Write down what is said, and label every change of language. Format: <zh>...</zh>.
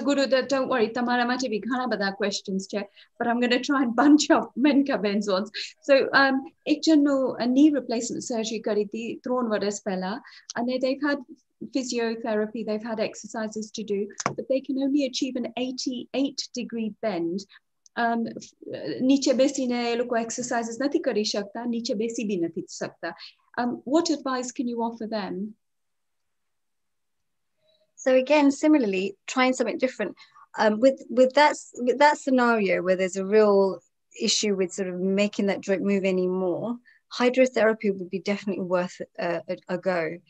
<en>Gurudatt, don't worry,</en> <gu>tamara mate bhi ghana bada questions che,</gu> <en>but I'm going to try and bunch up Menka Ben's ones. So</en> <gu>ek jan no a knee replacement surgery kari thi 3 varas pehla,</gu> <en>and they've had physiotherapy, they've had exercises to do, but they can only achieve an 88 degree bend.</en> <gu>નીચે બેસીને એ લોકો exercise નથી કરી શકતા, નીચે બેસી બી નથી શકતા.</gu> <en>What advice can you offer them? So again, similarly, trying something different. With that scenario where there's a real issue with sort of making that joint move anymore, hydrotherapy would be definitely worth a go.</en>